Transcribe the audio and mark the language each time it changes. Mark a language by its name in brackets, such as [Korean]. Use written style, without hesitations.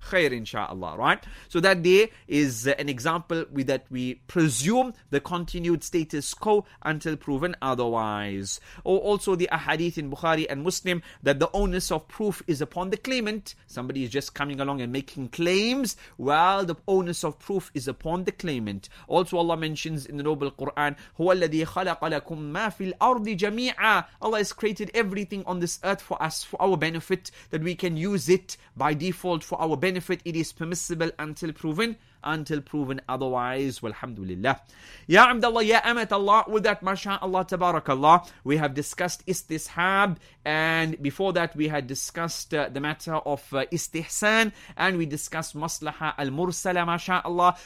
[English] Khair inshaAllah, right? So that there is an example with that we presume the continued status quo until proven otherwise. Or also the ahadith in Bukhari and Muslim that the onus of proof is upon the claimant. Somebody is just coming along and making claims. Well, the onus of proof is upon the claimant. Also Allah mentions in the Noble Quran, [Arabic] هو الذي خلق لكم ما في الأرض جميعا. [English] Allah has created everything on this earth for us, for our benefit, that we can use it by default for our benefit. It is permissible until proven otherwise. Walhamdulillah. Ya Abdullah, ya Amat Allah, with that, mashaAllah, tabarakAllah, we have discussed istishab, and before that, we had discussed the matter of istihsan, and we discussed maslaha al-mursala, mashaAllah.